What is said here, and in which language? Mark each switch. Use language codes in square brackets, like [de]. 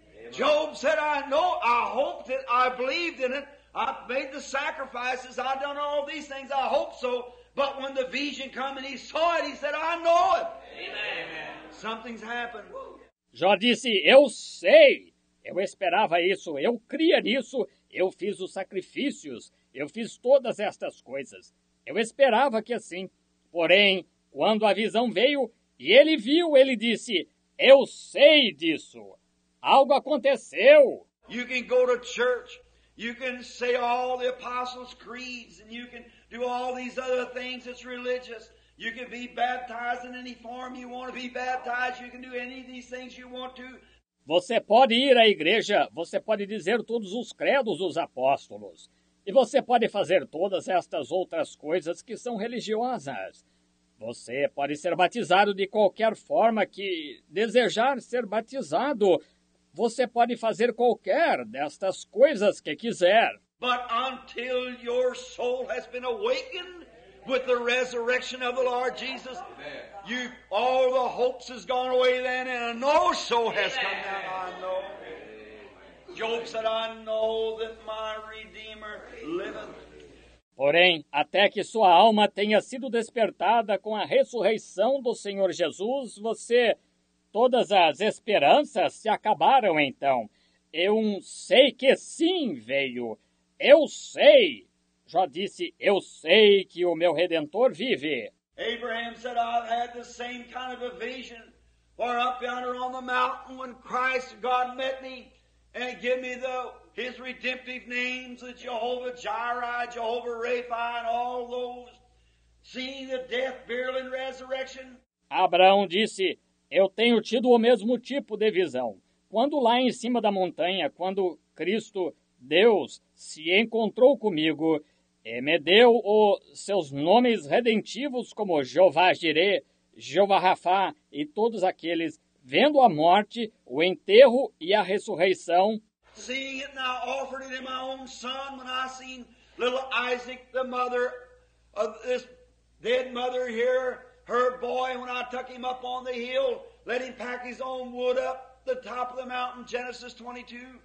[en] Job said, I know, I hoped it, I believed in it, I've made the sacrifices, I've done all these things, I hope so. But when the vision came and he saw it, he said, I know it. Amen. Something's happened. [pt] Jó disse, eu sei, eu esperava isso, eu cria nisso. Eu fiz os sacrifícios, eu fiz todas estas coisas. Eu esperava que assim. Porém, quando a visão veio e ele viu, ele disse, eu sei disso. Algo aconteceu. [en] You can go to church, you can say all the apostles' creeds, and you can do all these other things that's religious. You can be baptized in any form you want to be baptized, you can do any of these things you want to. [pt] Você pode ir à igreja, você pode dizer todos os credos dos apóstolos. E você pode fazer todas estas outras coisas que são religiosas. Você pode ser batizado de qualquer forma que desejar ser batizado. Você pode fazer qualquer destas coisas que quiser. [en] But until your soul has been awakened with the resurrection of the Lord Jesus, you, all the hopes has gone away then, and a no-so has come down, I know. Job said, I know that my Redeemer liveth. [pt] Porém, até que sua alma tenha sido despertada com a ressurreição do Senhor Jesus, você, todas as esperanças se acabaram então. Eu sei que sim veio. Eu sei. Já disse, eu sei que o meu Redentor vive. [en] Abraham said, I've had the same kind of a vision where up yonder on the mountain when Christ God met me and gave me the His redemptive names, the Jehovah Jireh, Jehovah Rapha, and all those, seeing the death, burial, and resurrection. [pt] Abraão disse, eu tenho tido o mesmo tipo de visão. Quando lá em cima da montanha, quando Cristo, Deus, se encontrou comigo, e me deu os seus nomes redentivos como Jeová Jireh, Jeová Rapha, e todos aqueles, vendo a morte, o enterro e a ressurreição, [en] seeing it now offered it in my own son when I seen little Isaac, the mother of this dead mother here, her boy, when I took him up on the hill, let him pack his own wood up the top of the mountain, Genesis 22.